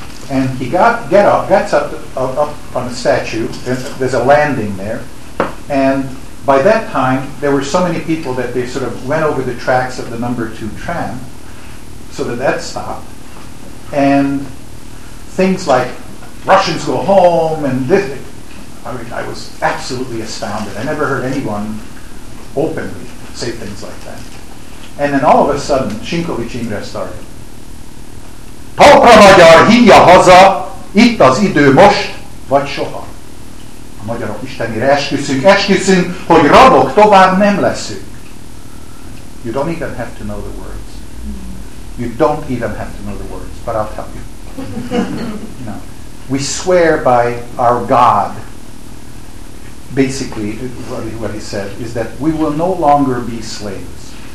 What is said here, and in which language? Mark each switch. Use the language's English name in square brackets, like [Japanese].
[English] And he gets up on the statue, and there's a landing there, and by that time, there were so many people that they sort of went over the tracks of the number 2 tram, so that stopped, and things like Russians go home, and this. I mean, I was absolutely astounded. I never heard anyone openly say things like that. And then all of a sudden, Shinkovich Imre started. [Hungarian] Talpra magyar, hívja haza, itt az idő most, vagy soha. A magyarok istenére esküszünk, esküszünk, hogy rabok tovább nem leszünk. [English] You don't even have to know the words. You don't even have to know the words, but I'll tell you. No. We swear by our God. Basically, what he said is that we will no longer be slaves.